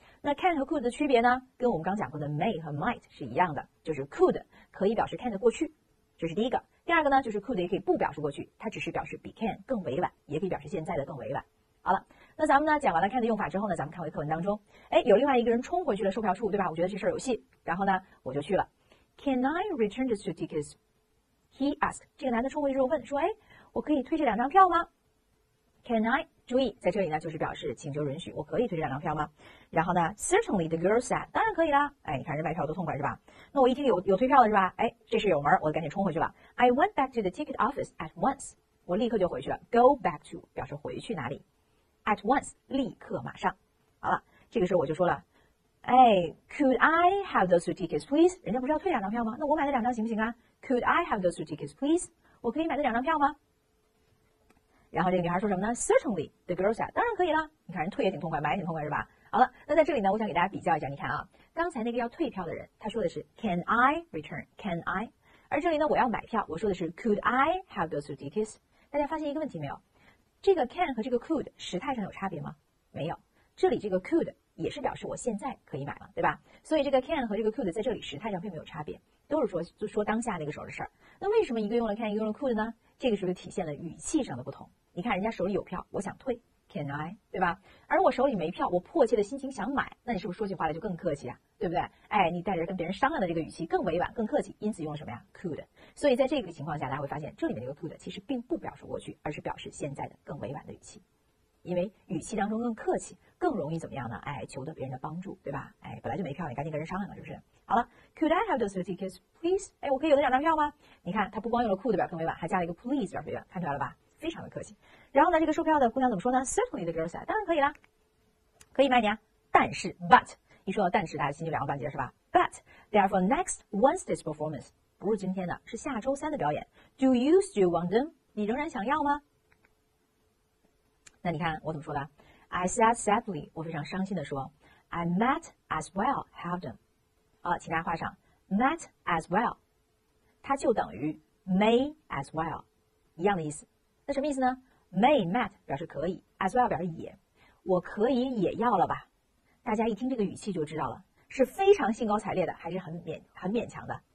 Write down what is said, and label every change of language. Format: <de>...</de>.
<zh>那 can 和 could 的区别呢，跟我们刚讲过的 may 和 might 是一样的，就是 could 可以表示 can 的过去，这是第一个。第二个呢，就是 could 也可以不表示过去，它只是表示比 can 更委婉，也可以表示现在的更委婉。好了，那咱们呢讲完了 can 的用法之后呢，咱们看回课文当中，哎，有另外一个人冲回去了售票处，对吧？我觉得这事儿有戏，然后呢我就去了。</zh> <en>Can I return the two tickets? He asked，</en> <zh>这个男的冲回去之后问说，哎，我可以退这两张票吗？</zh> <en>Can I？</en> <zh>注意在这里呢就是表示请求允许，我可以退这两张票吗？然后呢</zh> <en>certainly the girl said，</en> <zh>当然可以啦，哎，你看人卖票都痛快是吧？那我一听有退票了是吧，哎，这是有门，我赶紧冲回去了。</zh> <en>I went back to the ticket office at once，</en> <zh>我立刻就回去了。 go back to 表示回去哪里， at once 立刻马上。好了，这个时候我就说了，哎，</zh> <en>could I have those two tickets please，</en> <zh>人家不是要退两张票吗？那我买了两张行不行啊？</zh> <en>could I have those two tickets please，</en> <zh>我可以买了两张票吗？然后这个女孩说什么呢？</zh> <en>Certainly, the girl said,</en> <zh>当然可以啦。你看人退也挺痛快，买也挺痛快是吧？好了，那在这里呢，我想给大家比较一下。你看啊，刚才那个要退票的人，他说的是</zh> <en>Can I return? Can I?</en> <zh>而这里呢，我要买票，我说的是</zh> <en>Could I have those tickets?</en> <zh>大家发现一个问题没有？这个 can 和这个 could 时态上有差别吗？没有。这里这个 could 也是表示我现在可以买了，对吧？所以这个 can 和这个 could 在这里时态上并没有差别，都是说当下那个时候的事儿。那为什么一个用了 can， 一个用了 could 呢？这个是不是体现了语气上的不同？你看人家手里有票，我想退 ，</zh> <en>Can I？</en> <zh>对吧？而我手里没票，我迫切的心情想买，那你是不是说起话来就更客气啊？对不对？哎，你带着跟别人商量的这个语气更委婉、更客气，因此用了什么呀 ？Could。所以在这个情况下，大家会发现这里面这个 could 其实并不表示过去，而是表示现在的更委婉的语气，因为语气当中更客气，更容易怎么样呢？哎，求得别人的帮助，对吧？哎，本来就没票，你赶紧跟人商量了，是不是？</zh> <en>好了 ，Could I have those tickets, please？</en> <zh>哎，我可以有那两张票吗？你看他不光用了 could 表更委婉，还加了一个 please 表委婉，看出来了吧？非常的客气。然后呢，这个售票的姑娘怎么说呢 ？</zh> <en>Certainly the girl said，</en> <zh>当然可以啦，可以卖你啊。但是 ，but 一说到但是，大家心就凉了半截是吧 ？</zh> <en>But therefore next Wednesday's performance</en> <zh>不是今天的，是下周三的表演。</zh> <en>Do you still want them？</en> <zh>你仍然想要吗？那你看我怎么说的 ？</zh> <en>I said sadly，</en> <zh>我非常伤心的说</zh> <en>I might as well have them.</en> <zh>请大家画上 might as well， 它就等于 may as well， 一样的意思。那什么意思呢？ may might 表示可以， as well 表示也，我可以也要了吧。大家一听这个语气就知道了，是非常兴高采烈的还是很勉强的。</zh>